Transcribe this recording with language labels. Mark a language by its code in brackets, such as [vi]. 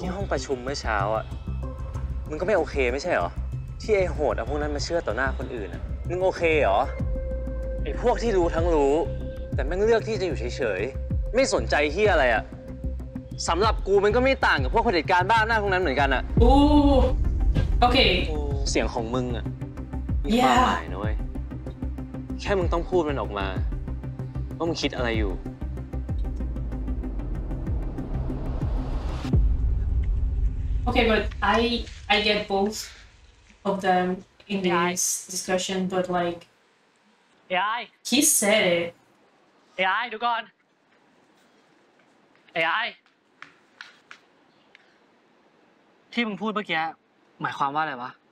[th] ที่ห้องประชุมเมื่อเช้าอ่ะมึงก็ไม่โอเคไม่ใช่เหรอที่ไอ้โหดเอาพวกนั้นมาเชื่อต่อหน้าคนอื่นอ่ะมึงโอเคเหรอไอ้พวกที่รู้ทั้งรู้แต่แม่งเลือกที่จะอยู่เฉยๆไม่สนใจเหี้ยอะไรอ่ะสำหรับกูมันก็ไม่ต่างกับพวกเผด็จการบ้าหน้าพวกนั้นเหมือนกันอ่ะ โอ้โอเค เสียงของมึงอ่ะมีความหมายนะเว้ยแค่มึงต้องพูดมันออกมาว่ามึงคิดอะไรอยู่ โอเค [en] but I get both of themin this discussion but like AI he said it [th] AI ดูก่อน AI ที่มึงพูดเมื่อกี้หมายความว่าอะไรวะ